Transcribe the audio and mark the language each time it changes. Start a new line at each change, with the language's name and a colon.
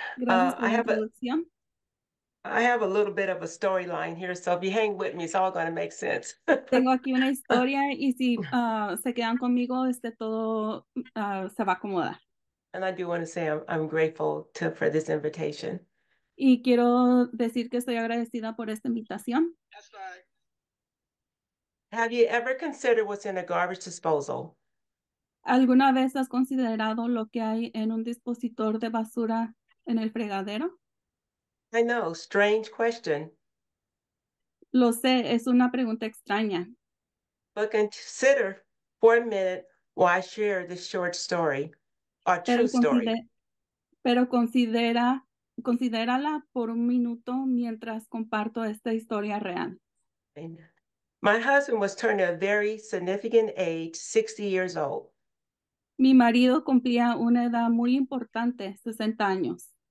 English: I have a little bit of a storyline here, so if you hang with me, it's all going to make sense.
Spanish: Tengo aquí una historia, y si se quedan conmigo, este todo se va a acomodar.
English: And I do want to say I'm grateful for this invitation.
Spanish: Y quiero decir que estoy agradecida por esta invitación.
English: Have you ever considered what's in a garbage disposal?
Spanish: ¿Alguna vez has considerado lo que hay en un dispositor de basura en el fregadero?
English: I know, strange question.
Spanish: Lo sé, es una pregunta extraña.
English: But consider for a minute why I share this short story, or true story.
Spanish: Pero considérala por un minuto mientras comparto esta historia real.
English: My husband was turning a very significant age, 60 years old.
Spanish: Mi marido cumplía una edad muy importante, 60 años.